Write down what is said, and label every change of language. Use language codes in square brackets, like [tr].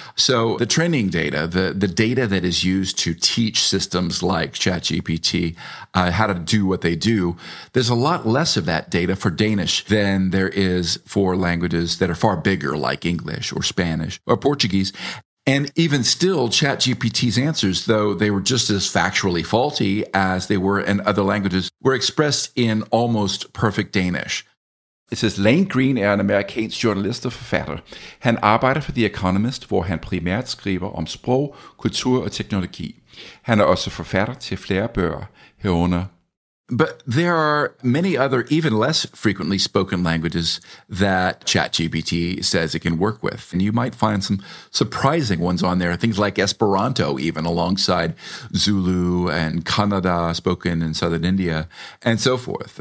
[en] So the training data, the data that is used to teach systems like ChatGPT how to do what they do, there's a lot less of that data for Danish than there is for languages that are far bigger, like English or Spanish or Portuguese. And even still, ChatGPT's answers, though they were just as factually faulty as they were in other languages, were expressed in almost perfect Danish. It says, [da] Lane Green er en amerikansk journalist og forfatter. Han arbejder for The Economist, hvor han primært skriver om sprog, kultur og teknologi. Han er også forfatter til flere bøger herunder. [en] But there are many other, even less frequently spoken languages that ChatGPT says it can work with. And you might find some surprising ones on there, things like Esperanto, even alongside Zulu and Kannada spoken in southern India and so forth.